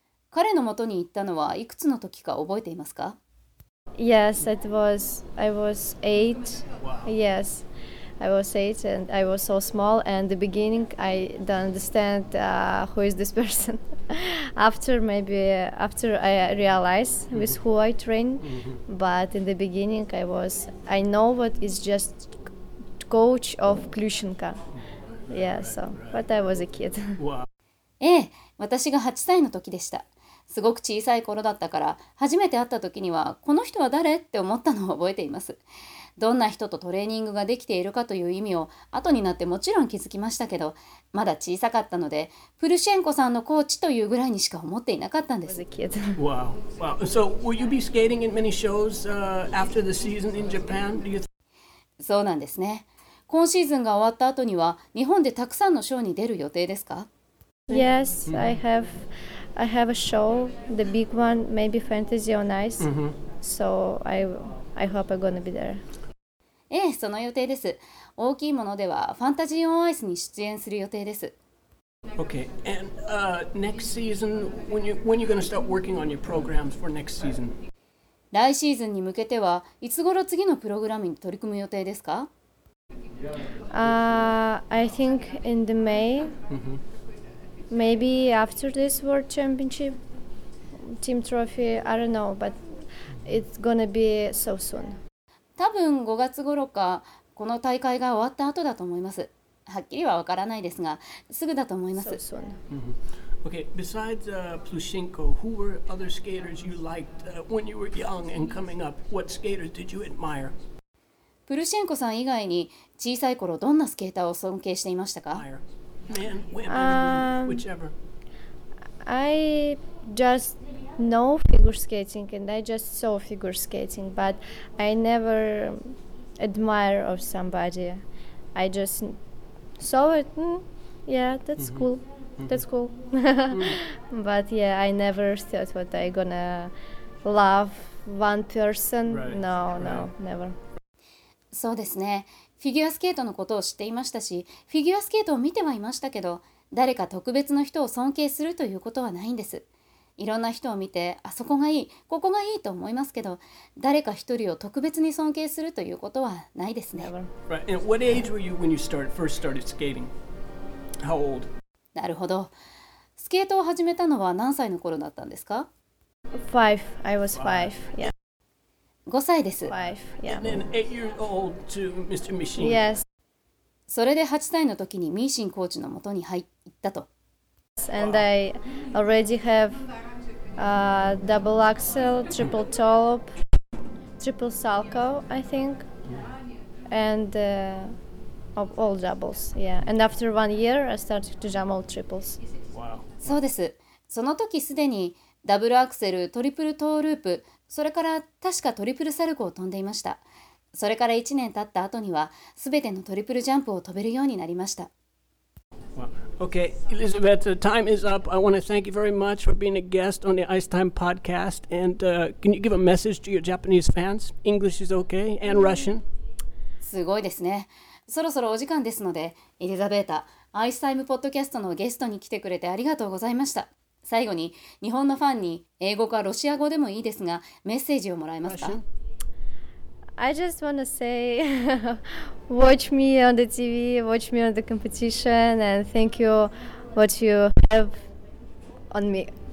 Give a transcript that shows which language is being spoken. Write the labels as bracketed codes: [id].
[ja] 彼の元に行ったのはいくつの時か覚えていますか？ [en] Yes, it was. I was eight. Wow. Yes, I was eight and I was so small. And the beginning, I don't understand who is this person. After maybe after I realize with who I train, but in the beginning I was. I know what is just coach of Klyushenko. Yeah. So, but I was a kid. Wow. [ja] ええ、私が8歳の時でした。すごく小さい頃だったから、初めて会った時には、この人は誰？って思ったのを覚えています。どんな人とトレーニングができているかという意味を、後になってもちろん気づきましたけど、まだ小さかったので、プルシェンコさんのコーチというぐらいにしか思っていなかったんです。 [en] Wow. Wow. So, will you be skating in many shows, after the season in Japan? Do you... [ja] そうなんですね。今シーズンが終わった後には、日本でたくさんのショーに出る予定ですか？ [en] Yes, I have... I have a show, the big one, maybe Fantasy on Ice.、Mm-hmm. So I hope I'm gonna be there. [ja] ええ、その予定です。大きいものでは Fantasy on Ice に出演する予定です。 [en] Okay, and next season, when you gonna start working on your programs for next season? [ja] 来シーズンに向けては、いつ頃次のプログラムに取り組む予定ですか？ [en] I think in the May.、Mm-hmm. Maybe after this World Championship, Team Trophy, I don't know, but it's gonna be so soon. [ja] 多分5月頃か、この大会が終わった後だと思います。はっきりは分からないですが、すぐだと思います。 [en] So soon. Mm-hmm. Okay, besides Plushenko, who were other skaters you liked when you were young and coming up? What skaters did you admire? [ja] プルシェンコさん以外に、小さい頃どんなスケーターを尊敬していましたか？ [en] Admire. Man, women, whichever. I just know figure skating and I just saw figure skating, but I never admire of somebody. I just saw it. Yeah, that's cool. That's cool. But yeah, I never thought what I gonna love one person. Right. No, right. No, never. [ja] そうですね。フィギュアスケートのことを知っていましたし、フィギュアスケートを見てはいましたけど、誰か特別の人を尊敬するということはないんです。いろんな人を見て、あそこがいい、ここがいいと思いますけど、誰か一人を特別に尊敬するということはないですね。 [en] Right. And what age were you when you started, first started skating? How old? [ja] なるほど。スケートを始めたのは何歳の頃だったんですか？ [en] Five. I was five. Yeah. [ja] 5歳です。 [en] Five, yeah. And then 8 years old to Mr. Mishin. Yes. [ja] それで8歳の時にミーシンコーチの元に入ったと。 [en] And I already have a double axel, triple top, triple salco, I think. And of all doubles, yeah. And after one year, I started to jump all triples. Wow. [ja] そうです。その時すでにダブルアクセル、トリプルトーループ、それから確かトリプルサルコーを飛んでいました。それから1年経った後には、すべてのトリプルジャンプを飛べるようになりました。 [en] Well, okay, Elizabeth, time is up. I want to thank you very much for being a guest on the Ice Time podcast. And can you give a message to your Japanese fans? English is okay, and Russian. [ja] すごいですね。そろそろお時間ですので、エリザベータ、アイスタイムポッドキャストのゲストに来てくれてありがとうございました。最後に日本のファンに英語かロシア語でもいいですがメッセージをもらえますか [en] I just want to say watch me on the TV, watch me on the competition and thank you what you have on me.